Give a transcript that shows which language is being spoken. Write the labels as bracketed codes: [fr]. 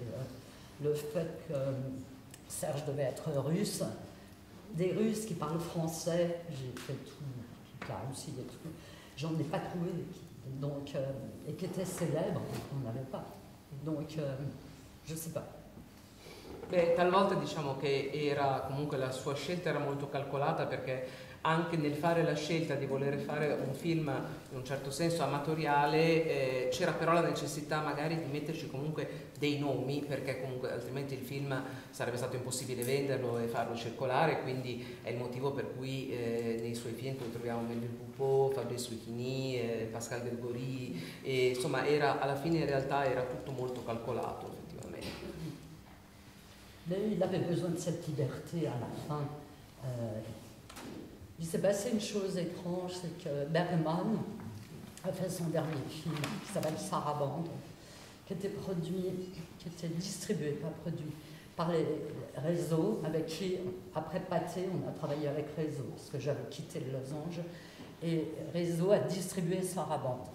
[fr] Et, le fait que. Serge devait être russe, des Russes qui parlent français, j'ai fait tout la Russie et tout, j'en ai pas trouvé, donc, et qui étaient célèbres, on n'avait pas, donc je sais pas. [it] Beh, talvolta diciamo che era comunque la sua scelta era molto calcolata perché anche nel fare la scelta di voler fare un film in un certo senso amatoriale c'era però la necessità magari di metterci comunque dei nomi perché comunque altrimenti il film sarebbe stato impossibile venderlo e farlo circolare, quindi è il motivo per cui nei suoi film troviamo Melville Poupeau, Fabrice Lucchini, Pascal Grégory, e insomma era alla fine in realtà era tutto molto calcolato effettivamente. [fr] Mais il avait besoin de cette liberté à la fin. Il s'est passé une chose étrange, c'est que Bergman a fait son dernier film, qui s'appelle Sarabande, qui était produit, qui était distribué, pas produit, par les réseaux, avec qui, après Pathé, on a travaillé avec Réseau, parce que j'avais quitté le Los Angeles, et Réseau a distribué Sarabande.